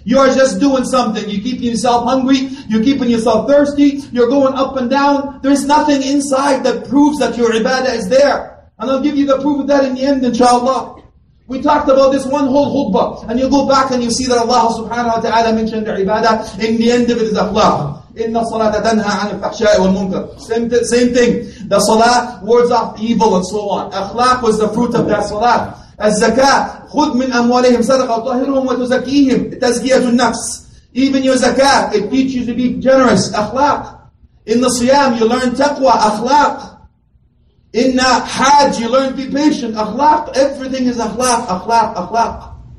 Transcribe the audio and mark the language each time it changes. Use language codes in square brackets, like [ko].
[en] You are just doing something. You're keeping yourself hungry. You're keeping yourself thirsty. You're going up and down. There's nothing inside that proves that your ibadah is there. And I'll give you the proof of that in the end, inshallah. We talked about this one whole khutbah. And you go back and you see that Allah subhanahu wa ta'ala mentioned the ibadah. In the end of it is akhlaq. [ar] إِنَّ الصَّلَاةَ تَنْهَى عَنِ الْفَحْشَاءِ وَالْمُنْكَرِ [en] same thing. The salah wards off evil and so on. Akhlaq was the fruit of that salah. [ar] الزَّكَاةِ خُدْ مِنْ أَمْوَالِهِمْ صَدَقَةً طَهِرُهُمْ وَتُزَكِّيهِمْ تَزْكِيَةُ النَّفْسِ [en] Even your zakah, it teaches you to be generous. Akhlaq. In the siyam, you learn taqwa. Akhlaq. In the hajj, you learn to be patient. Akhlaq. Everything is akhlaq. Akhlaq. Akhlaq.